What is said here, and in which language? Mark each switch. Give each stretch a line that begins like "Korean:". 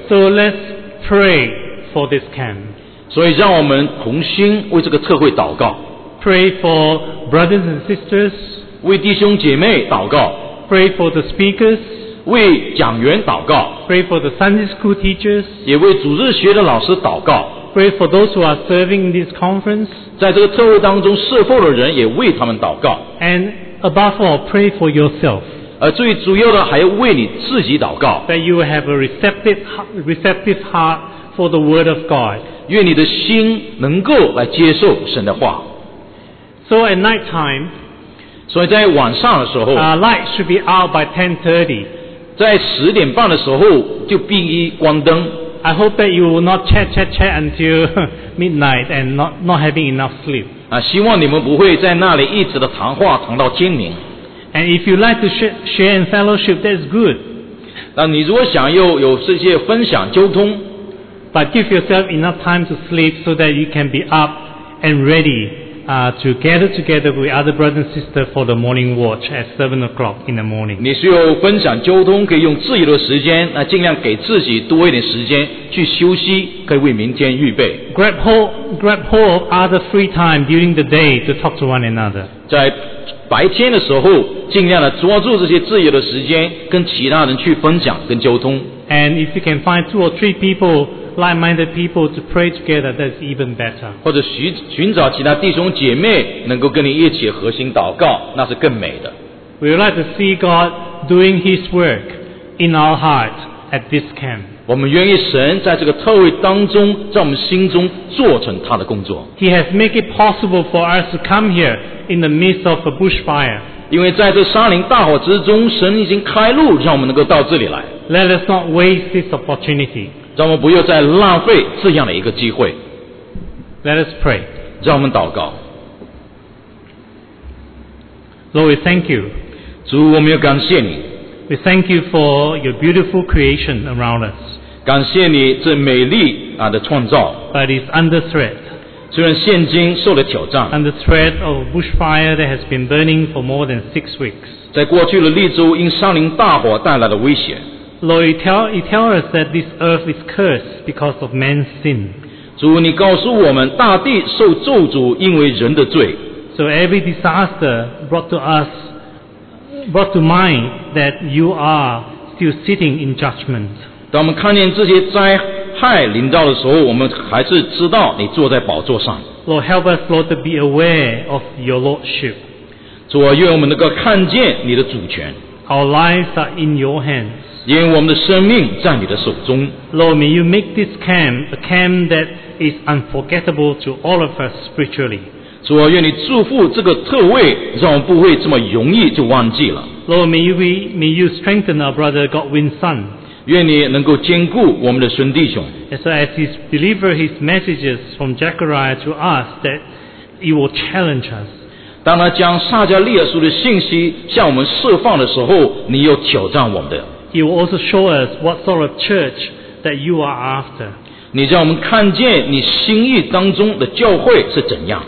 English: So let's pray for this camp.
Chinese: 所以让我们同心为这个特会祷告。
English: Pray for brothers and sisters.
Chinese: 为弟兄姐妹祷告。
English: Pray for the speakers.
Chinese: 为讲员祷告。
English: Pray for the Sunday school teachers.
Chinese: 也为主日学的老师祷告。
English: Pray for those who are serving this conference.
Chinese: 在这个特会当中侍奉的人也为他们祷告。
English: And above all, pray for yourself.
Chinese: 而最主要的还要为你自己祷告。
English: That you will have a receptive heart for the word of God.
Chinese: 愿你的心能够来接受神的话。
English: So at night time,
Chinese: 所以在晚上的时候
English: light should be out by 10:30.
Chinese: 在十点半的时候就必须关灯。
English: I hope that you will not chat until midnight and not having enough sleep.
Chinese: 希望你们不会在那里一直的谈话谈到精明。
English: And if you like to share and fellowship, that's good.
Chinese: 那你如果想有这些分享交通。
English: But give yourself enough time to sleep so that you can be up and ready to gather together with other brothers and sisters for the morning watch at 7 o'clock in the morning.
Chinese: 你需要分享交通，可以用自己的时间，那尽量给自己多一点时间去休息，可以为明天预备。
English: Grab hold of other free time during the day to talk to one another.
Chinese: 在白天的时候，尽量的抓住这些自由的时间，跟其他人去分享跟交通。
English: And if you can find two or three people. Like-minded people to pray together, that's even better.
Chinese: 或者寻找其他弟兄姐妹能够跟你一起核心祷告，那是更美的。
English: We would like to see God doing His work in our heart at this camp.
Chinese: 我们愿意神在这个特会当中，在我们心中做成他的工作。
English: He has made it possible for us to come here in the midst of a bushfire.
Chinese: 因为在这沙林大火之中，神已经开路，让我们能够到这里来。
English: Let us not waste this opportunity.
Chinese: 让我们不要再浪费这样的一个机会。
English: Let us pray.
Chinese: 让我们祷告。
English: Lord, we thank you.
Chinese: 主，我们要感谢你。
English: We thank you for your beautiful creation around us.
Chinese: 感谢你这美丽的创造。
English: But it's under threat.
Chinese: 虽然现今受了挑战。
English: Under threat of a bushfire that has been burning for more than 6 weeks.
Chinese: 在过去的利州因山林大火带来的威胁。
English: Lord, you tell us that this earth is cursed because of man's sin.
Chinese: 主，你告诉我们，大地受咒诅，因为人的罪。
English: So every disaster brought to mind that you are still sitting in judgment.
Chinese: 当我们看见这些灾害临到的时候，我们还是知道你坐在宝座上。
English: Lord, help us, Lord, to be aware of your lordship.
Chinese: 主啊，愿我们能够看见你的主权。
English: Our lives are in your hands.
Chinese: 因为我们的生命在你的手中。
English: Lord, may you make this camp a camp that is unforgettable to all of us spiritually.
Chinese: 主啊，愿你祝福这个特会，让我们不会这么容易就忘记了。
English: Lord, may you strengthen our brother Godwin's son.
Chinese: 愿你能够坚固我们的孙弟兄。
English: So as he delivers his messages from Zechariah to us, that it will challenge us.
Chinese: 当他将撒迦利亚书的信息向我们释放的时候，你又挑战我们的。
English: He will also show us what sort of church that you are after.
Chinese: 你让我们看见你心意当中的教会是怎样。